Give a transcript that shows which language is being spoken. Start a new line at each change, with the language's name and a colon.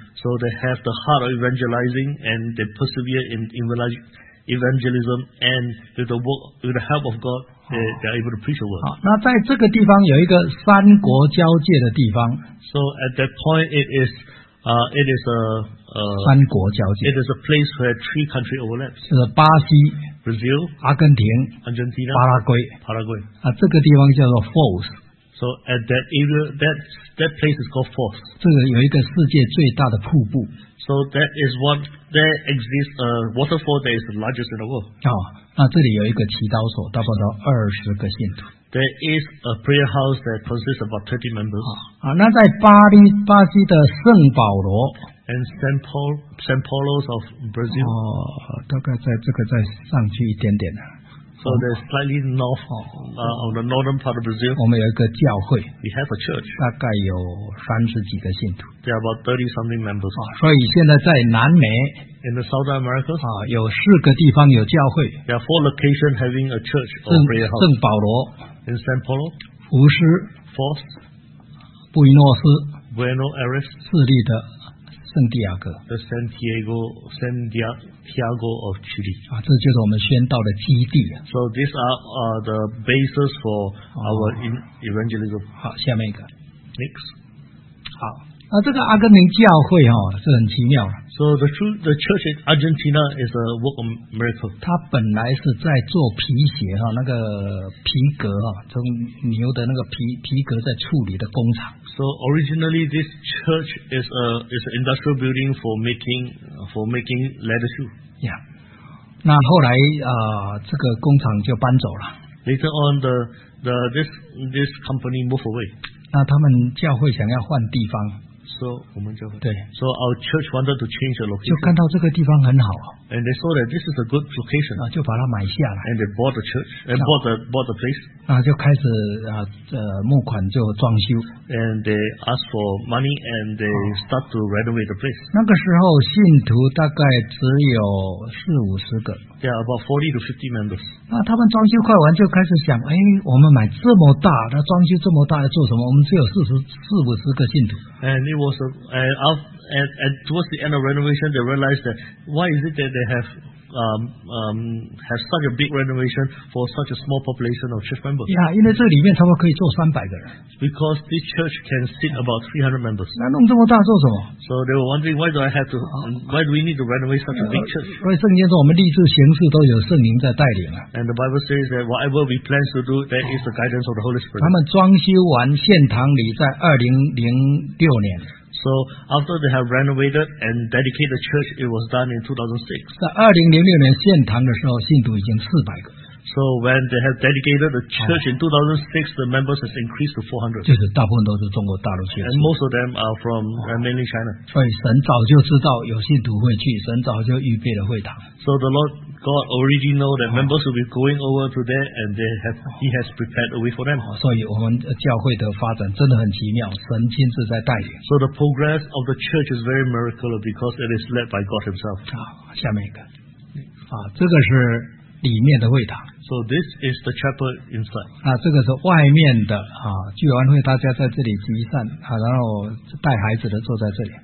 English: So they have the heart of evangelizing and they persevere in evangelizing. Evangelism and with the help of God, they are able to preach the word.
Chinese: 那在这个地方有一个三国交界的地方.
English: So at that point, it is a
Chinese: 三国交界.
English: It is a place where three countries overlap.
Chinese: 是巴西,
English: Brazil,
Chinese: 阿根廷,
English: Argentina,
Chinese: 巴拉圭,
English: Paraguay.
Chinese: 这个地方叫做 Force.
English: So at that area, that place is called Force.
Chinese: 这个有一个世界最大的瀑布.
English: So that is what. There exists a waterfall that is the largest in the world.
Chinese: 那这里有一个祈祷所，差不多20个信徒。
English: There is a prayer house that consists about 30 members.
Chinese: 那在巴西的圣保罗。
English: And San Paulo's of Brazil.
Chinese: 大概在这个再上去一点点。
English: So there's slightly north of the northern part of Brazil.
Chinese: 我们有一个教会,
English: we have a church.
Chinese: 大概有30几个信徒,
English: there are about 30 something members.
Chinese: 所以现在在南美,
English: in the South America,
Chinese: 有4个地方有教会,
English: there are 4 locations having a church or prayer house.
Chinese: 圣保罗,
English: in San Paulo,
Chinese: 福斯,
English: Force,
Chinese: 布宜诺斯,
English: Buenos Aires,
Chinese: 智利的, Santiago,
English: the Santiago of Chile.
Chinese: 这就是我们宣道的基地。
English: So these are the bases for our evangelism.
Chinese: 好，下面一个。
English: Next.
Chinese: 好，这个阿根廷教会是很奇妙。
English: So the church in Argentina is a work of miracle.
Chinese: 它本来是在做皮鞋，那个皮革，从牛的那个皮革在处理的工厂。
English: So originally, this church is an industrial building for making leather shoe. Yeah.
Chinese: 那后来, 这个工厂就搬走了。
English: Later on, this company moved away.
Chinese: 那他们教会想要换地方。 So 我们教会, 对,
English: So our church wanted to change the location.
Chinese: 就看到这个地方很好。
English: And they saw that this is a good location.
Chinese: 就把它买下来。
English: And they bought the church and bought the place.
Chinese: 就开始, 募款就装修。
English: And they asked for money and they start to renovate the place.
Chinese: 那个时候信徒大概只有40-50个。
English: There are about 40 to 50 members.
Chinese: 那他们装修快完就开始想, 我们买这么大，那装修这么大要做什么？我们只有40-50个信徒。
English: And it was and towards the end of renovation, they realized that why is it that they have such a big renovation for such a small population of church members?
Chinese: Yeah, 因为这里面差不多可以坐300个人。
English: Because this church can sit about 300 members.
Chinese: 那弄这么大做什么？
English: So they were wondering why do we need to renovate such a big church?
Chinese: 所以圣经说我们立志行事都有圣灵在带领。And
English: the Bible says that whatever we plan to do, there is the guidance of the Holy Spirit.
Chinese: 他们装修完现堂里在2006年。
English: So after they have renovated and dedicated the church, it was done in 2006.
Chinese: 在2006年建堂的时候，信徒已经400个。
English: So when they have dedicated the church in 2006, the members has increased to 400.
Chinese: 就是大部分都是中国大陆去的。
English: And most of them are from mainly China.
Chinese: 所以神早就知道有信徒会去，神早就预备了会堂。
English: So the Lord God already know that members will be going over to there, and they have He has prepared a way for them.
Chinese: 所以我们教会的发展真的很奇妙，神亲自在带领。
English: So the progress of the church is very miraculous because it is led by God Himself.
Chinese: 下面一个，这个是里面的会堂。
English: So this is the chapel inside.
Chinese: 这个是外面的聚完会大家在这里集散然后带孩子的坐在这里。